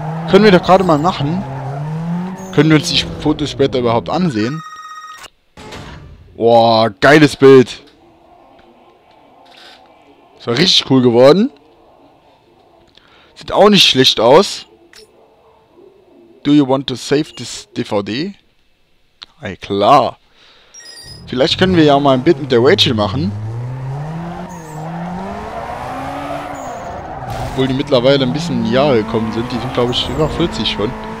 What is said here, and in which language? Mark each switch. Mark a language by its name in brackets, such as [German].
[German] Können wir doch gerade mal machen. Können wir uns die Fotos später überhaupt ansehen? Boah, geiles Bild. Das war richtig cool geworden. Sieht auch nicht schlecht aus. [English] Do you want to save this DVD? [German] Ey, klar. Vielleicht können wir ja mal ein Bit mit der Rachel machen. Obwohl die mittlerweile ein bisschen in die Jahre gekommen sind. Die sind, glaube ich, über 40 schon.